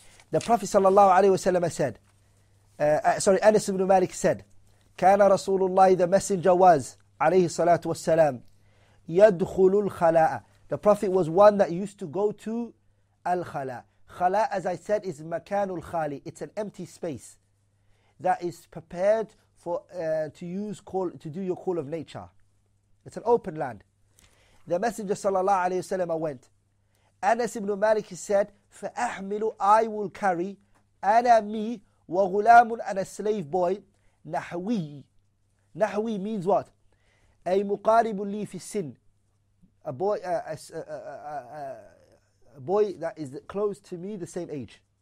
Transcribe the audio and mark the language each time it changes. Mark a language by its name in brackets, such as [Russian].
[English] The Prophet sallallahu alaihi wasallam said, Anas ibn Malik said, [Arabic] كان رسول الله, [English] the messenger was, عليه الصلاة والسلام, [Arabic] يدخل الخلاء. [English] The Prophet was one that used to go to الخلاء. خلاء, as I said, is [Arabic] مكان الخالي. [English] It's an empty space that is prepared for to do your call of nature. It's an open land. The Messenger صلى الله عليه وسلم went. Anas ibn Malik said, فأحمل, I will carry, أنا me, وغلام, and a slave boy, نحوي. نحوي means what? [Arabic] A مقارب لي في السن. [English] A boy that is close to me, the same age.